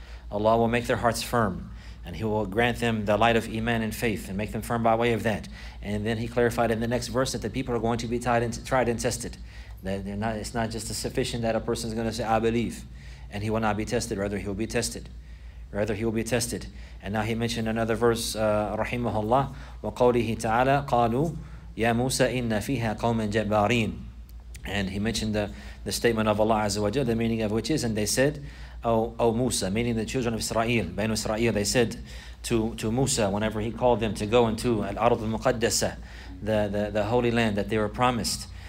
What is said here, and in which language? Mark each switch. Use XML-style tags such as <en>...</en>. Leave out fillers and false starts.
<en>Allah will make their hearts firm, and he will grant them the light of iman and faith and make them firm by way of that. And then he clarified in the next verse that the people are going to be tried and tested. That they're not, it's not just sufficient that a person is going to say, I believe, and he will not be tested. Rather, he will be tested. Rather, he will be tested. And now he mentioned another verse, rahimahullah,</en> <ar>وَقَوْلِهِ تَعَالَى قَالُوا يَا مُوسَى إِنَّ فِيهَا قَوْمًا جَبَّارِينَ.</ar> <en>And he mentioned the statement of Allah Azza wa Jalla, the meaning of which is, and they said, O Musa, meaning the children of Israel, Banu Israel, they said to Musa, whenever he called them to go into Al-Ard al-Muqaddasa, the holy land that they were promised.</en>